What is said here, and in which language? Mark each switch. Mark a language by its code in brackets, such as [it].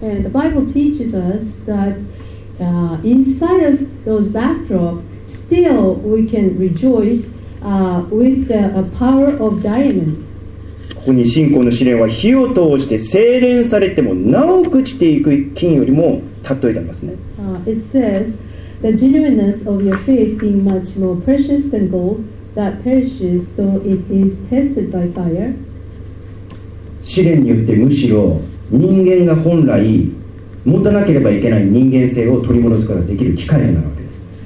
[en] And the Bible teaches us that, in spite of those backdrop, still we can rejoice, with the power of diamond. [ja] ここに信仰の試練は火を通して精錬されてもなお朽ちていく金よりも尊いと言いますね。 [en] It says, the genuineness of your faith being much more precious than gold that perishes though it is tested by fire. [ja] 試練によってむしろ人間が本来持たなければいけない人間性を取り戻すことができる機会となるわけです。